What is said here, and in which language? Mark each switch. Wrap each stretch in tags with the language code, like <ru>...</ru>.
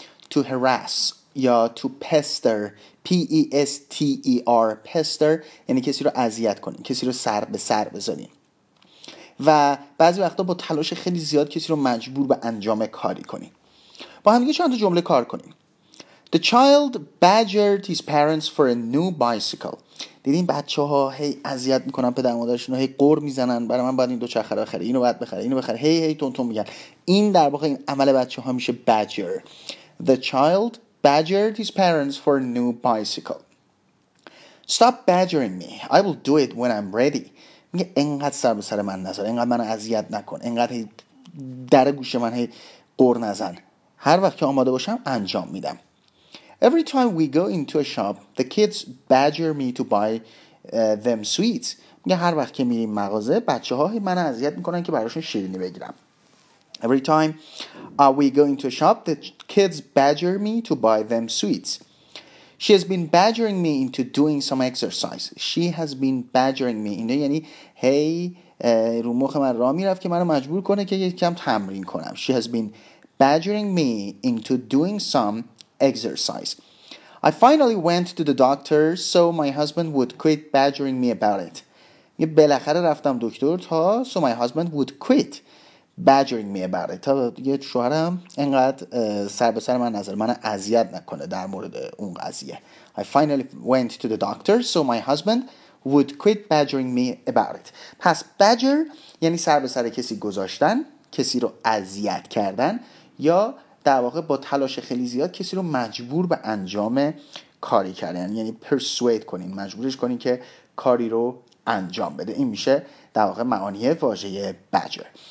<fa>To harass یا to pester، P-E-S-T-E-R، pester یعنی کسی رو اذیت کنیم، کسی رو سر به سر بزنیم. و بعضی وقتا با تلاش خیلی زیاد کسی رو مجبور به انجام کاری کنیم. با همدیگه چند تا جمله کار کنیم.</fa> <en>The child badgered his parents for a new bicycle.</en> <fa>دیدین بچه ها هی اذیت میکنن پدر مادرشون، هی قر میزنن برای من باید این دوچرخه بخره، اینو باید بخره، اینو بخره، هی تونتون میگن. این در واقع این عمل بچه ها میشه badger.</fa> <en>The child badgered his parents for a new bicycle. Stop badgering me. I will do it when I'm ready.</en> <fa>میگه انقدر سر به سر من نزن، انقدر من اذیت نکن، انقدر در گوش من هی قر نزن. هر وقت که آماده باشم انجام میدم.</fa> <en>Every time we go into a shop, the kids badger me to buy them sweets.</en> <fa>میگه هر وقت که میریم مغازه بچه های من اذیت میکنن که براشون شیرینی بگیرم.</fa> <en>Every time we go into a shop, the kids badger me to buy them sweets. She has been badgering me into doing some exercise. She has been badgering me.</en> <fa>اینه یعنی هی رو مخ من را میرفت که منو مجبور کنه که یک کم تمرین کنم.</fa> <en>She has been badgering me into doing some exercise. I finally went to the doctor so my husband would quit badgering me about it.</en> <fa>یه بالاخره رفتم دکتر تا</fa> <en>so my husband would quit badgering me about it.</en> <fa>تا یه شوهرم اینقدر سر به سر من نظر من اذیت نکنه در مورد اون قضیه.</fa> <en>I finally went to the doctor so my husband would quit badgering me about it.</en> <fa>پس badger یعنی سر به سر کسی گذاشتن، کسی رو اذیت کردن، یا در واقع با تلاش خیلی زیاد کسی رو مجبور به انجام کاری کردن، یعنی persuade کنین، مجبورش کنین که کاری رو انجام بده. این میشه در واقع معانی واژه badger.</fa>